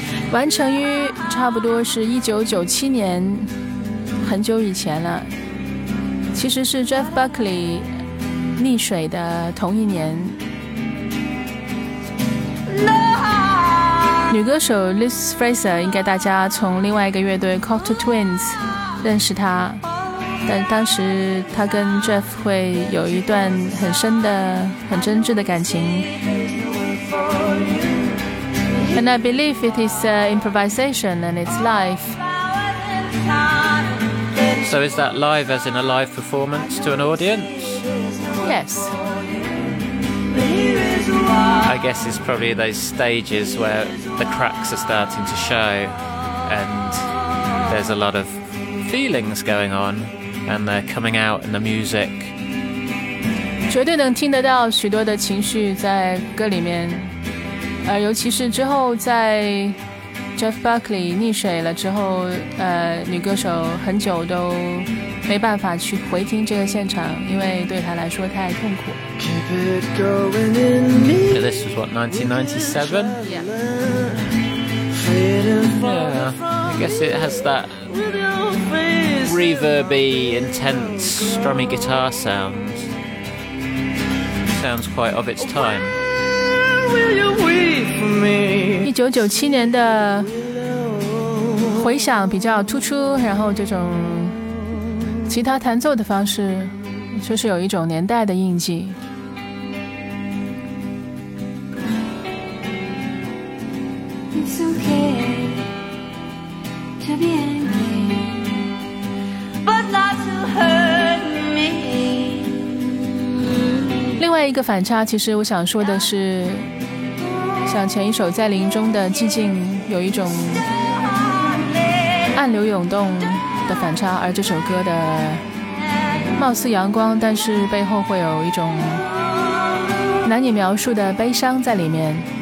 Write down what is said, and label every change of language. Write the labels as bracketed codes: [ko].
[zh] 完成于差不多是1997年，很久以前了。其实是 Jeff Buckley 溺水的同一年，女歌手 Liz Fraser 应该大家从另外一个乐队 Cocteau Twins 认识她，但当时她跟 Jeff 会有一段很深的很真挚的感情。 [en] And I believe it is improvisation and it's life. So is that live as in a live performance to an audience? Yes. I guess it's probably those stages where the cracks are starting to show and there's a lot of feelings going on and they're coming out in the music [zh] 绝对能听得到许多的情绪在歌里面，尤其是之后在 Jeff Buckley 溺水了之后，女歌手很久都没办法去回听这个现场，因为对她来说太痛苦。 [en] Keep it going in me. So this is what, 1997? Yeah. I guess it has that reverb-y, intense, strummy guitar soundSounds quite of its time. Where will you wait for me? [zh] 1997年的回响比较突出，然后这种吉他弹奏的方式就是有一种年代的印记。 [en] It's okay to be angry, but not to hurt me. [zh] 另外一个反差，其实我想说的是，像前一首在林中的寂静，有一种暗流涌动的反差，而这首歌的貌似阳光，但是背后会有一种难以描述的悲伤在里面。